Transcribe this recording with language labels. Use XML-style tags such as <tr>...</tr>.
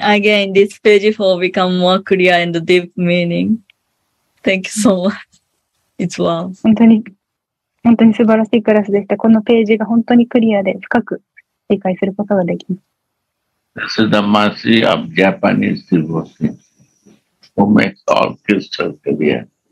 <en>Again, this page 4 become more clear and deep meaning. Thank you so much. It's wow.</en> <ja>本当に素晴らしいクラスでした。このページが本当にクリアで深く理解することができます。</ja> <en>This is the mercy of Japanese devotees who makes all crystal clear.</en>